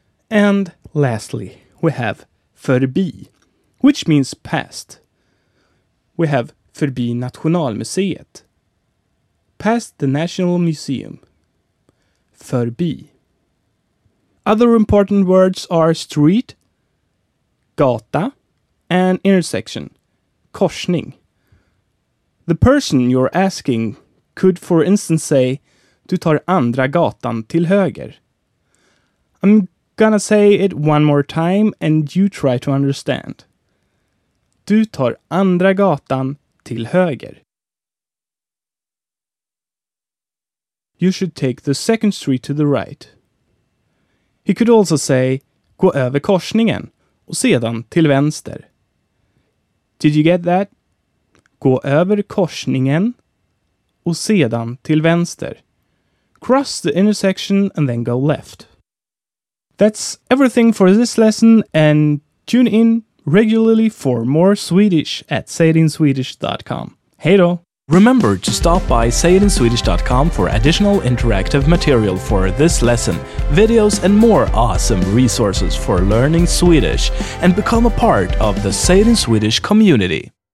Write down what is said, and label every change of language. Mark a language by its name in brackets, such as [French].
[English] And lastly, we have förbi, which means past. We have [Swedish] förbi Nationalmuseet, [English] past the National Museum, förbi. Other important words are street, gata, and intersection, korsning. The person you're asking could, for instance, say, [Swedish] du tar andra gatan till höger. [English] I'm gonna say it one more time and you try to understand. [Swedish] du tar andra gatan till höger. [English] You should take the second street to the right. He could also say, [Swedish] gå över korsningen och sedan till vänster. [English] Did you get that? [Swedish] Gå över korsningen och sedan till vänster. [English] Cross the intersection and then go left. That's everything for this lesson, and tune in regularly for more Swedish at sayitinswedish.com. [Swedish] Hej då! [English] Remember to stop by sayitinswedish.com for additional interactive material for this lesson, videos and more awesome resources for learning Swedish, and become a part of the Say It in Swedish community.